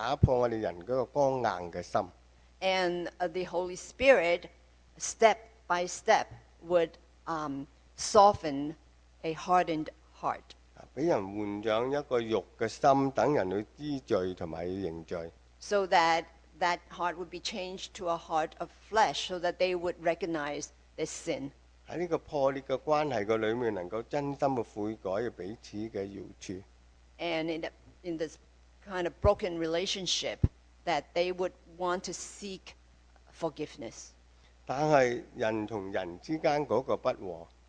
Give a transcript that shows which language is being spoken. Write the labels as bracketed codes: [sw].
[zh] 聖靈就在那裡一步一步地去打破我們人的光硬的心, [en] and the Holy Spirit step by step would soften a hardened heart, [zh] 讓人換掌一個肉的心,讓人去知罪和認罪, [en] so that that heart would be changed to a heart of flesh, so that they would recognize their sin. [zh] 在這個破裂的關係裡面,能夠真心的悔改,彼此的饒恕, [en] and in this kind of broken relationship, that they would want to seek forgiveness. [zh] 但是人和人之間那個不和,